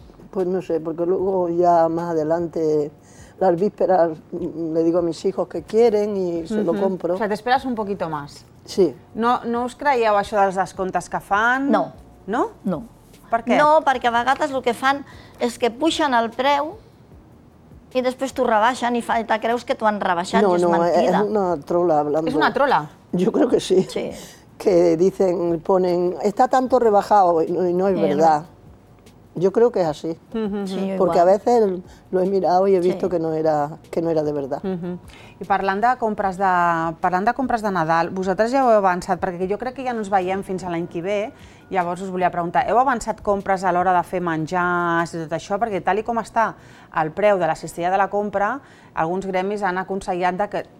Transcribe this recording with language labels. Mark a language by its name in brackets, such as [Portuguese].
[Spanish] Pues no sé, porque luego ya más adelante... Las vísperas le digo a mis hijos que quieren y se, uh-huh, lo compro. O sea, te esperas un poquito más. Sí. [Catalan] ¿No os creíeu això dels descomptes que fan? No. No? No. Per què? No, perquè a vegades el que fan és que puixen el preu i després t'ho rebaixen i te creus que t'ho han rebaixat mentida. No, és una trola. És una trola? Jo crec que sí. Sí. [Spanish] Que dicen, ponen, está tanto rebajado y no es verdad. Yo creo que es así, sí, porque A veces lo he mirado y he visto que no era de verdad. [Catalan] Uh-huh. I parlant de compres de Nadal, vosaltres ja ho heu avançat, perquè jo crec que ja no ens veiem fins a l'any que ve, llavors us volia preguntar, heu avançat compres a l'hora de fer menjars i tot això? Perquè tal i com està el preu de la cistella de la compra, alguns gremis han aconsellat que...